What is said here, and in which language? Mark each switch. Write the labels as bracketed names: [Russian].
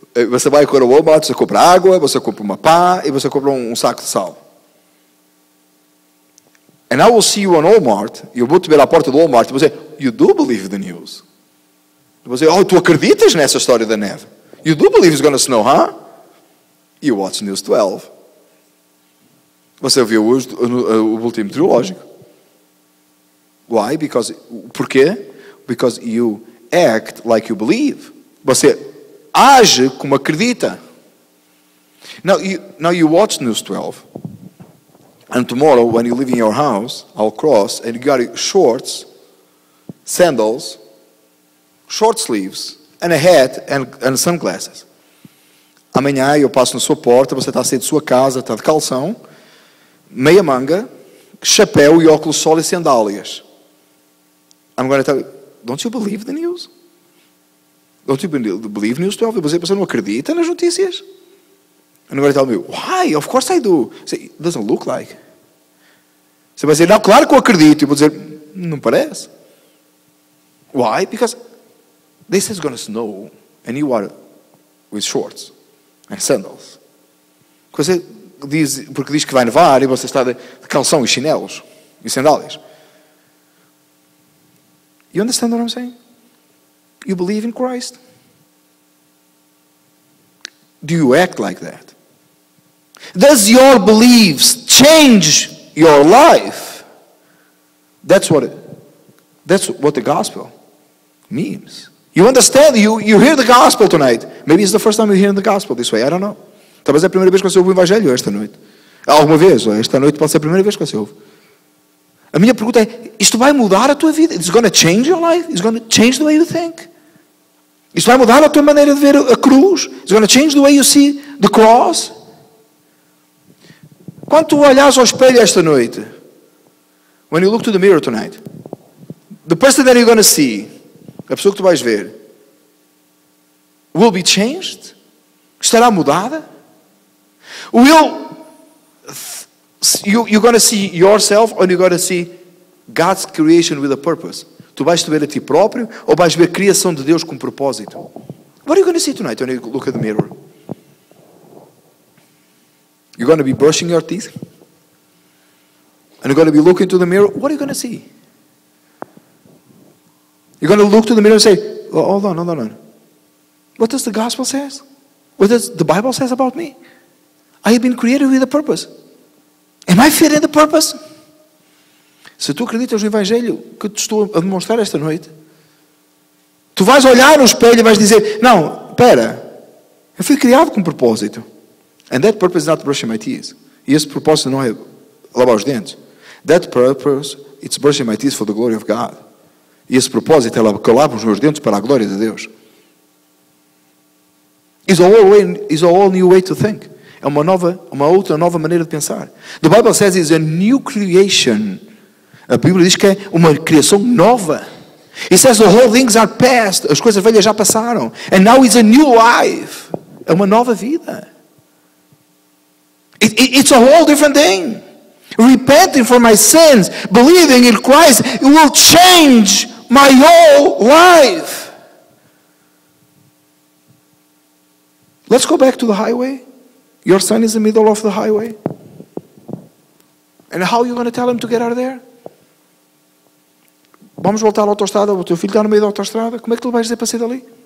[Portuguese] Você vai com o Walmart, você compra água, você compra uma pá e você compra um saco de sal. [English] And I will see you on Walmart, [Portuguese] eu vou te ver à porta do Walmart e você, [English] you do believe the news. [Portuguese] Você, [English] oh, [Portuguese] tu acreditas nessa história da neve? [English] You do believe it's going to snow, huh? You watch News 12. [Portuguese] Você viu hoje o boletim meteorológico. [English] Why? Because, [Portuguese] porquê? [English] Because you act like you believe. [Portuguese] Você age como acredita. [English] Now you watch News 12. And tomorrow, when you leave in your house, I'll cross, and you got shorts, sandals, short sleeves, and a hat, and sunglasses. [Portuguese] Amanhã eu passo na sua porta, você está a sair de sua casa, está de calção, meia manga, chapéu e óculos sol e sandálias. [English] I'm going to tell you, don't you believe the news? Don't you believe news, Tom? [Portuguese] Você não acredita nas notícias? [English] And you're going to tell me, why? Of course I do. Say, it doesn't look like. [Portuguese] Você vai dizer, não, claro que eu acredito. Eu vou dizer, não parece. [English] Why? Because this is going to snow and you are with shorts and sandals. [Portuguese] Você diz, porque diz que vai nevar e você está de calção e chinelos e sandálias. [English] You understand what I'm saying? You believe in Christ? Do you act like that? Does your beliefs change your life? That's what the gospel means. You understand? You hear the gospel tonight. Maybe it's the first time you're hearing the gospel this way. I don't know. [Portuguese] Talvez é a primeira vez que você ouve o Evangelho esta noite. Alguma vez, esta noite pode ser a primeira vez que você ouve. A minha pergunta é, isto vai mudar a tua vida? [English] It's going to change your life? It's going to change the way you think? [Portuguese] Isso vai mudar a tua maneira de ver a cruz? [English] It's going to change the way you see the cross? [Portuguese] Quando tu olhas ao espelho esta noite, [English] when you look to the mirror tonight, the person that you're going to see, [Portuguese] a pessoa que tu vais ver, [English] will be changed? [Portuguese] Estará mudada? [English] You're going to see yourself or you're going to see God's creation with a purpose? [Portuguese] Tu vais te ver a ti próprio ou vais ver a criação de Deus com propósito? [English] What are you going to see tonight when you look at the mirror? You're going to be brushing your teeth? And you're going to be looking to the mirror? What are you going to see? You're going to look to the mirror and say, oh, hold on. What does the gospel say? What does the Bible say about me? I have been created with a purpose. Am I fitting the purpose? [Portuguese] Se tu acreditas no Evangelho que te estou a demonstrar esta noite, tu vais olhar no espelho e vais dizer: não, espera, eu fui criado com um propósito. [English] And that purpose is not brushing my teeth. [Portuguese] E esse propósito não é lavar os dentes. [English] That purpose, it's brushing my teeth for the glory of God. [Portuguese] E esse propósito é que eu lavo os meus dentes para a glória de Deus. [English] It's a whole new way to think. [Portuguese] É uma nova maneira de pensar. [English] The Bible says it's a new creation. [Portuguese] A Bíblia diz que é uma criação nova. [English] It says the whole things are past. [Portuguese] As coisas velhas já passaram. [English] And now it's a new life. [Portuguese] É uma nova vida. [English] It's a whole different thing. Repenting for my sins, believing in Christ, it will change my whole life. Let's go back to the highway. Your son is in the middle of the highway. And how are you going to tell him to get out of there? [Portuguese] Vamos voltar à autoestrada, o teu filho está no meio da autoestrada, como é que tu vais dizer para sair dali?